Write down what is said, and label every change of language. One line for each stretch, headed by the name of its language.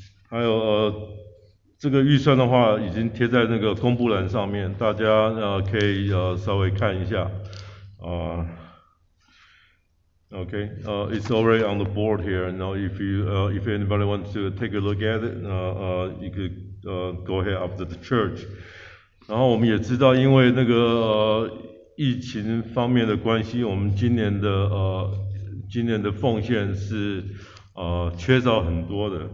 Chinese: This 个预算的话已经贴在那个公布栏上面，大家可以稍微看一下。
English: It's already on the board here. Now, if anybody wants to take a look at it, you could. Go ahead after the church.
Chinese: 然后我们也知道，因为那个疫情方面的关系，我们今年的奉献是缺少很多的。